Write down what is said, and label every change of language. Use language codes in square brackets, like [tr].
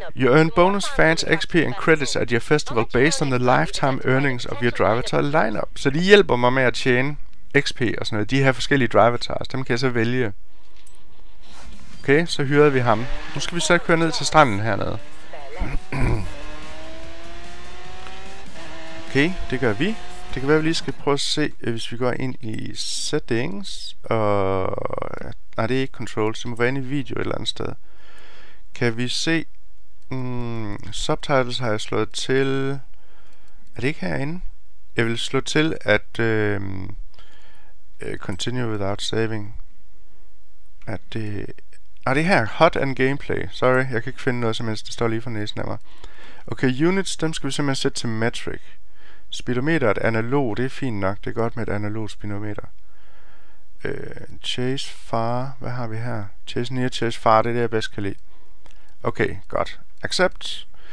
[en] You earn bonus fans XP and credits at your festival based on the lifetime earnings of your drivatar lineup. [da] Så de hjælper mig med at tjene XP og sådan noget. De her forskellige drivatars, dem kan jeg så vælge. Okay, så hyrede vi ham. Nu skal vi så køre ned til stranden hernede. Okay, det gør vi. Det kan være, vi lige skal prøve at se, hvis vi går ind i settings. Og nej, det er ikke controls. Det må være inde i video et eller andet sted. Kan vi se... subtitles har jeg slået til... Er det ikke herinde? Jeg vil slå til, at... [en] continue without saving. [da] At det... Ah, det er her. [en] Hot and gameplay. [da] Sorry, jeg kan ikke finde noget som helst. Det står lige for næsen af mig. Okay, units, dem skal vi simpelthen sætte til metric. Speedometer et analog. Det er fint nok. Det er godt med et analog speedometer. Chase far. Hvad har vi her? [en] Chase near, chase far. [da] Det er det, jeg bedst kan lide. Okay, godt. Accept.